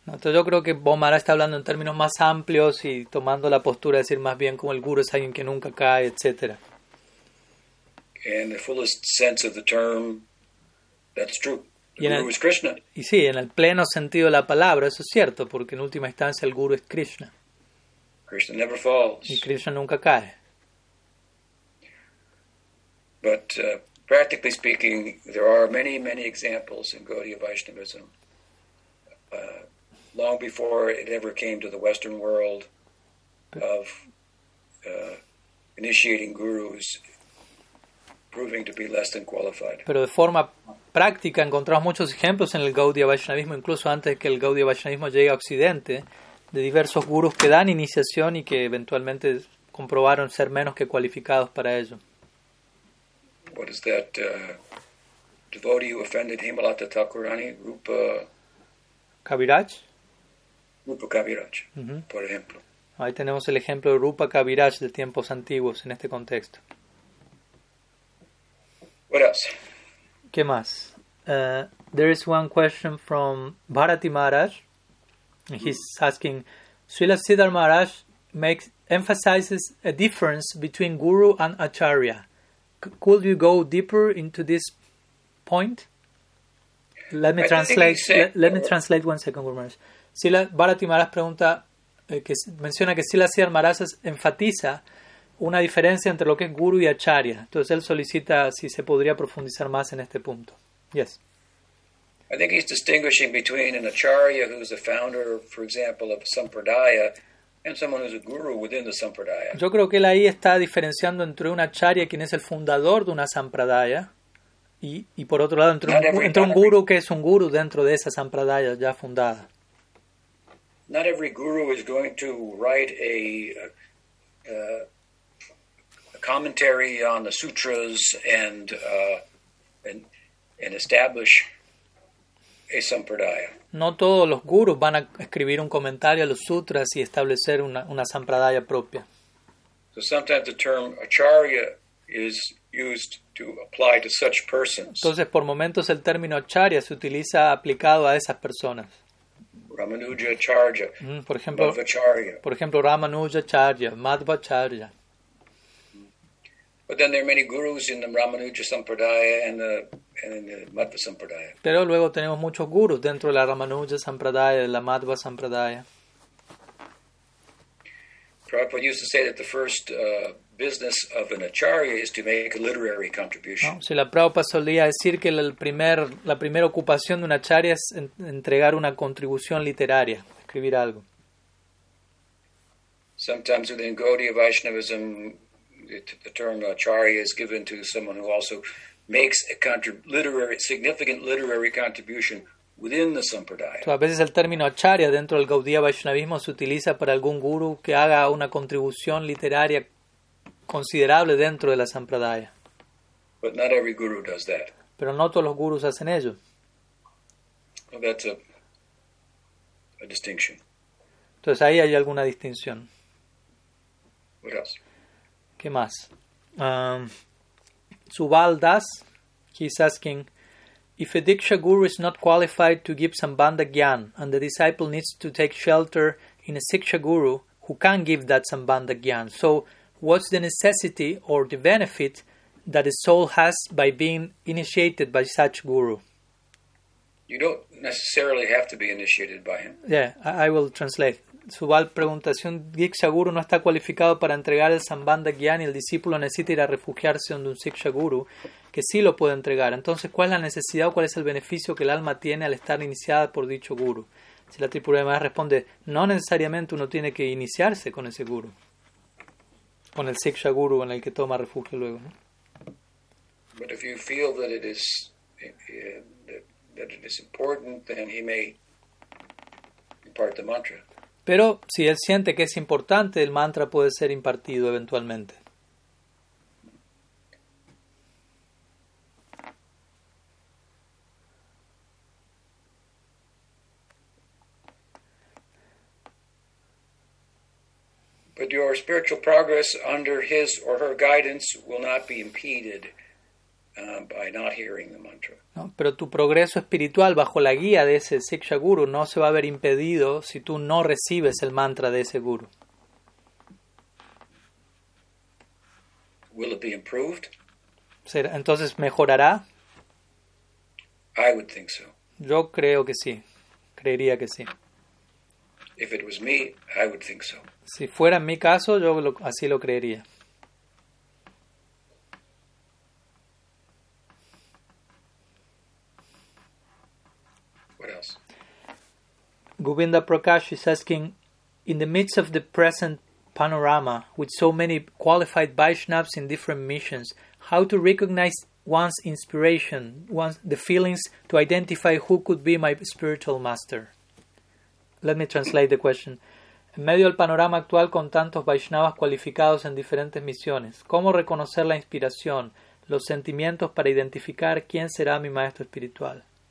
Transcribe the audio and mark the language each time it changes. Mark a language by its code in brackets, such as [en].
[es] Entonces yo creo que Bon Maharaj está hablando en términos más amplios y tomando la postura de decir más bien como el guru es alguien que nunca cae, etc. [en] In the fullest sense of the term, that's true. The guru is Krishna. [es] Y sí, en el pleno sentido de la palabra, eso es cierto, porque en última instancia el guru es Krishna. [en] Krishna never falls. [es] Y Krishna nunca cae. [en] But practically speaking, there are many, many examples in Gaudiya Vaishnavism, long before it ever came to the Western world, of initiating gurus proving to be less than qualified. [es] Pero de forma práctica encontramos muchos ejemplos en el Gaudiya Vaishnavismo, incluso antes que el Gaudiya Vaishnavismo llegue a Occidente, de diversos gurus que dan iniciación y que eventualmente comprobaron ser menos que cualificados para ello. [en] What is that devotee who offended Hemalata Thakurani, Rupa Kaviraj? [es] Rupa Kaviraj, por ejemplo. Ahí tenemos el ejemplo de Rupa Kaviraj de tiempos antiguos en este contexto. [en] What else? [es] ¿Qué más? [en] There is one question from Bharati Maharaj. He's asking, Srila Siddhar Maharaj emphasizes a difference between guru and acharya. Could you go deeper into this point? Let me translate 1 second, Guru Maharaj. [es] Sila Bharati Maharaj pregunta, que menciona que Sila Siddhar Maharaj enfatiza una diferencia entre lo que es guru y acharya. Entonces él solicita si se podría profundizar más en este punto. [en] Yes. I think he's distinguishing between an acharya who's the founder, for example, of sampradaya, and someone who's a guru within the sampradaya. [es] Yo creo que él ahí está diferenciando entre un acharya, quien es el fundador de una sampradaya, y por otro lado entre un guru que es un guru dentro de esa sampradaya ya fundada. [en] Not every guru is going to write a commentary on the sutras and establish a sampradaya. [es] No todos los gurús van a escribir un comentario a los sutras y establecer una sampradaya propia. [en] So sometimes the term acharya is used to apply to such persons. [es] Entonces, por momentos el término charya se utiliza aplicado a esas personas. Ramanuja charya, por ejemplo, Madhvacharya. Por ejemplo, Ramanuja charya, Madhvacharya. [en] But then there are many gurus in the Ramanuja Sampradaya and in the Madhva Sampradaya. [es] Pero luego tenemos muchos gurus dentro de la Ramanuja Sampradaya, de la Madhva Sampradaya. [en] Prabhupada used to say that the first business of an acharya is to make a literary contribution. [es] No, si la Prabhupada solía decir que la primera ocupación de un acharya es entregar una contribución literaria, escribir algo. [en] Sometimes within Gaudiya Vaishnavism, the term acharya is given to someone who also makes a significant literary contribution within the sampradaya. [es] Entonces, a veces el término acharya dentro del Gaudiya Vaishnavismo se utiliza para algún guru que haga una contribución literaria considerable dentro de la sampradaya. [en] But not every guru does that. [es] Pero no todos los gurus hacen ello. [en] Well, that's a distinction. [es] Entonces ahí hay alguna distinción. [en] What else? [es] ¿Qué más? [en] Subal Das, he's asking, if a Diksha guru is not qualified to give Sambandha Gyan and the disciple needs to take shelter in a Siksha guru who can give that Sambandha Gyan, so what's the necessity or the benefit that a soul has by being initiated by such guru? You don't necessarily have to be initiated by him. Yeah, I will translate. [es] Subal pregunta, si un Diksha guru no está cualificado para entregar el Sambandha Gyan y el discípulo necesita ir a refugiarse donde un Siksha guru, que sí lo puede entregar, entonces, ¿cuál es la necesidad o cuál es el beneficio que el alma tiene al estar iniciada por dicho guru? Si la tripulación además responde, no necesariamente uno tiene que iniciarse con ese guru, con el Siksha guru en el que toma refugio luego, ¿no? [en] But if you feel that it is important, then he may impart the mantra. [es] Pero si él siente que es importante, el mantra puede ser impartido eventualmente. [en] But your spiritual progress under his or her guidance will not be impeded by not hearing the mantra. [es] No, pero tu progreso espiritual bajo la guía de ese Siksha Guru no se va a ver impedido si tú no recibes el mantra de ese Guru. [en] Will it be improved? [es] ¿Entonces mejorará? [en] I would think so. [es] Yo creo que sí. Creería que sí. [en] If it was me, I would think so. [es] Si fuera en mi caso, yo así lo creería. [en] Govinda Prakash is asking, in the midst of the present panorama, with so many qualified Vaishnavas in different missions, how to recognize one's inspiration, one's the feelings to identify who could be my spiritual master? Let me translate the question. [es] En medio del panorama actual con tantos Vaishnavas cualificados en diferentes misiones, ¿cómo reconocer la inspiración, los sentimientos para identificar quién será mi maestro espiritual?